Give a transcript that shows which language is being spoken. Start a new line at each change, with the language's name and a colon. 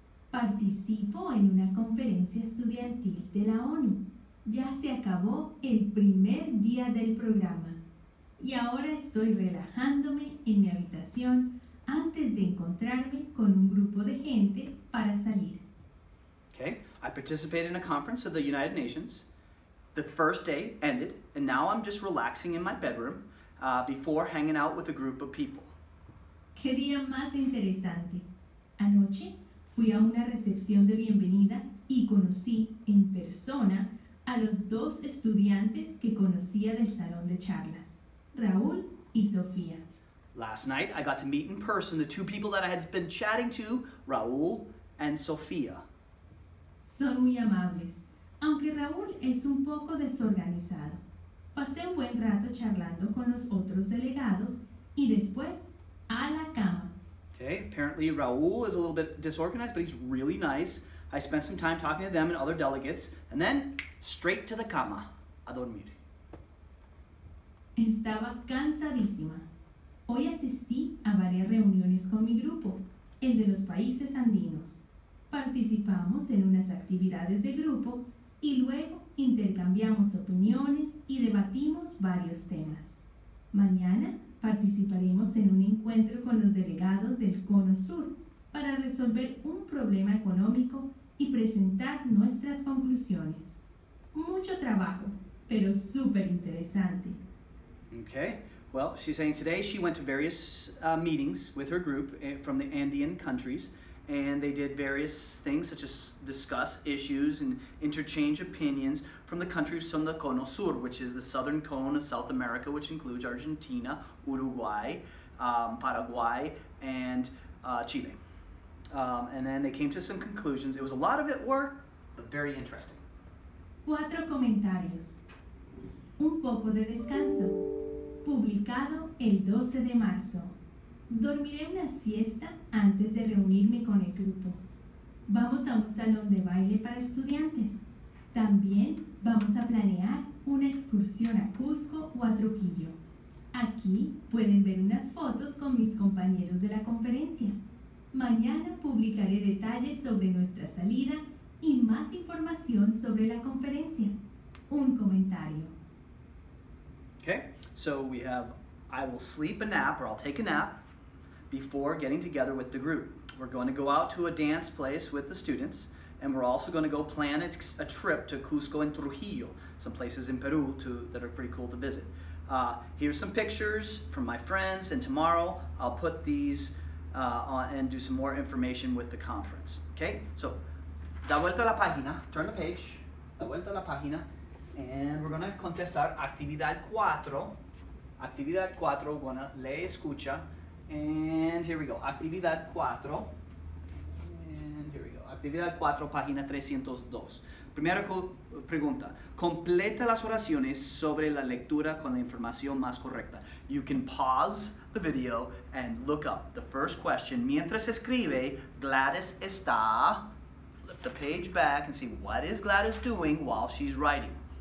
Spanish: Participo en una conferencia estudiantil de la ONU. Ya se acabó el primer día del programa. Y ahora estoy relajándome en mi habitación antes de encontrarme con un grupo de gente para salir.
English: Okay, I participated in a conference of the United Nations. The first day ended, and now I'm just relaxing in my bedroom before hanging out with a group of people.
Spanish: ¡Qué día más interesante! Anoche fui a una recepción de bienvenida y conocí en persona a los dos estudiantes que conocía del salón de charlas. Raúl y Sofía.
English: Last night, I got to meet in person the two people that I had been chatting to, Raúl and Sofía.
Spanish: Son muy amables, aunque Raúl es un poco desorganizado. Pasé un buen rato charlando con los otros delegados y después a la cama.
English: Okay, apparently Raúl is a little bit disorganized, but he's really nice. I spent some time talking to them and other delegates, and then straight to the cama,
Spanish: a dormir. Estaba cansadísima. Hoy asistí a varias reuniones con mi grupo, el de los países andinos. Participamos en unas actividades de grupo y luego intercambiamos opiniones y debatimos varios temas. Mañana participaremos en un encuentro con los delegados del Cono Sur para resolver un problema económico y presentar nuestras conclusiones. Mucho trabajo, pero súper interesante.
English: Okay, well, she's saying today she went to various meetings with her group from the Andean countries, and they did various things such as discuss issues and interchange opinions from the countries from the Cono Sur, which is the southern cone of South America, which includes Argentina, Uruguay, Paraguay, and Chile. And then they came to some conclusions. It was a lot of it work, but very interesting.
Spanish: Cuatro comentarios. Un poco de descanso. Publicado el 12 de marzo. Dormiré una siesta antes de reunirme con el grupo. Vamos a un salón de baile para estudiantes. También vamos a planear una excursión a Cusco o a Trujillo. Aquí pueden ver unas fotos con mis compañeros de la conferencia. Mañana publicaré detalles sobre nuestra salida y más información sobre la conferencia. Un comentario.
English: Okay, so we have, I will sleep a nap, or I'll take a nap, before getting together with the group. We're going to go out to a dance place with the students, and we're also going to go plan a trip to Cusco and Trujillo, some places in Peru that are pretty cool to visit. Here's some pictures from my friends, and tomorrow I'll put these on and do some more information with the conference.
Spanish: Okay, so, da vuelta la página,
English: turn the page,
Spanish: da vuelta la página.
English: And we're going to
Spanish: contestar actividad 4. Actividad 4, buena, lee, escucha.
English: And here we go. Actividad 4. And here we go. Actividad 4.
Spanish: actividad 4, página 302. Primera pregunta, completa las oraciones sobre la lectura con la información más correcta.
English: You can pause the video and look up the first question.
Spanish: Mientras escribe, Gladys está,
English: flip the page back and see what is Gladys doing while she's writing.